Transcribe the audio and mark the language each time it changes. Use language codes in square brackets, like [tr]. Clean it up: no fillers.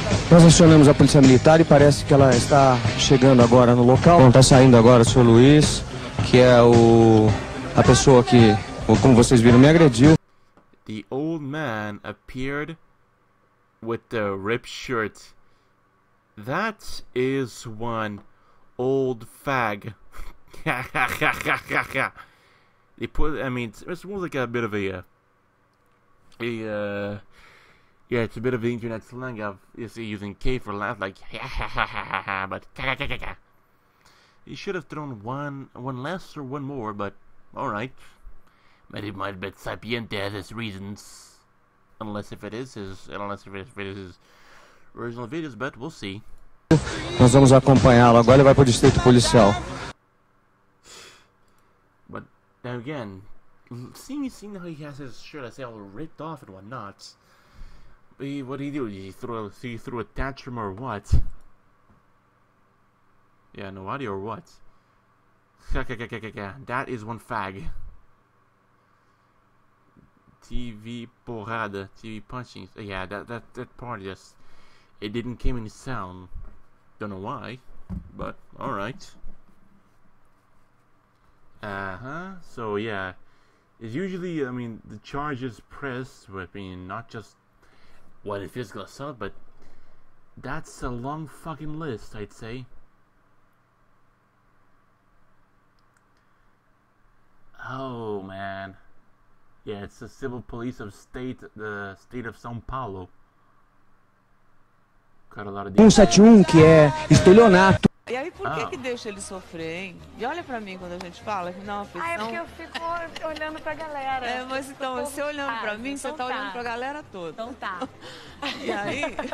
[pt] Nós acionamos a polícia militar e parece que ela está chegando agora no local. Bom, está saindo agora o Sr. Luiz, que é a pessoa que, como vocês viram, me agrediu. [en] The old man appeared with the ripped shirt. That is one old fag. it's more like a bit of Yeah, it's a bit of the internet slang of, you see, using K for laugh, like, but, ka-ka-ka-ka-ka. He should have thrown one less or one more, but, alright. But it might be Sapiente has his reasons. Unless if it is his original videos, but we'll see. [pt] Nós vamos acompanhá-lo, agora ele vai pro distrito policial. [en] But, now again, seeing how he has his shirt, I say, all ripped off and whatnot. What did he do? He threw a tantrum or what? Yeah, no audio or what? That is one fag. [pt] TV porrada, [en] TV punching. Yeah, that part just... It didn't came in sound. Don't know why, but alright. So yeah. It's usually, the charges pressed with being not just... What a physical assault, but that's a long fucking list, I'd say. Oh man. Yeah, it's the civil police of the state of São Paulo. Got a lot of [pt] 171 que é estelionato. E aí por que deixa ele sofrer, hein? E olha pra mim quando a gente fala, que não é uma aflição. Ah, é porque eu fico olhando pra galera. É, mas então, você olhando pra mim, então você tá olhando pra galera toda. Então tá. E aí...